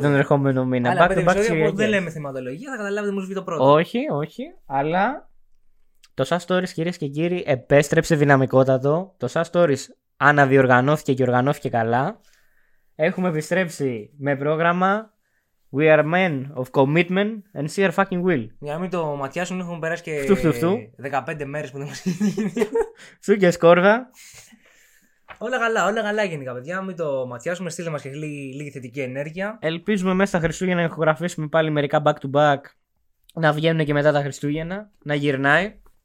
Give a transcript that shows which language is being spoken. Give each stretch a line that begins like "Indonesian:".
Greek: Για τον ερχόμενο μήνα. Αλλά 5 επεισόδια που δεν λέμε θεματολογία, θα καταλάβετε μου σβεί το πρώτο. Όχι, όχι. Αλλά το SaaS Stories, κυρίες και κύριοι, επέστρεψε δυναμικότατο. Το SaaS Stories αναδιοργανώθηκε και οργανώθηκε καλά. Έχουμε επιστρέψει με πρόγραμμα.
English: We are men of commitment and sheer fucking will.
Greek: Για να μην το ματιάσουν, έχουν περάσει και φτου. 15 μέρες που δεν μας έχει γίνει. Σου και σκόρδα. Όλα καλά γενικά, παιδιά. Μην το ματιάσουμε, στείλε μας και λίγη θετική ενέργεια. Ελπίζουμε μέσα στα Χριστούγεννα να ηχογραφήσουμε πάλι μερικά
English: back to back,
Greek: να βγαίνουν και μετά τα Χριστούγεννα, να γυρνάει.